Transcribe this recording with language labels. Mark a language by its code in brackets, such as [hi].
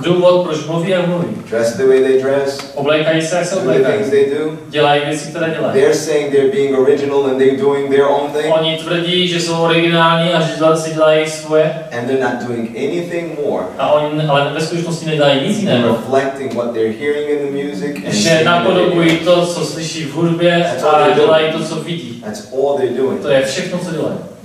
[cs] Důvod, proč mluví a mluví. [en] Dress the way they dress. [cs] Oblékají se, jak se oblékají. [en] The things they do. [cs] Dělají věci, které dělají. [en] They're saying they're being original and they're doing their own thing. [cs] Oni tvrdí, že jsou originální a že si dělají svoje. [en] And they're not doing anything more. [cs] A oni ale ve skutečnosti nedělají nic jiného. [en] Reflecting what they're hearing in the music. [cs] Že napodobují to, co slyší v hudbě, a dělají to, co vidí. [en] That's all they're doing. [cs] To je všechno, co dělají.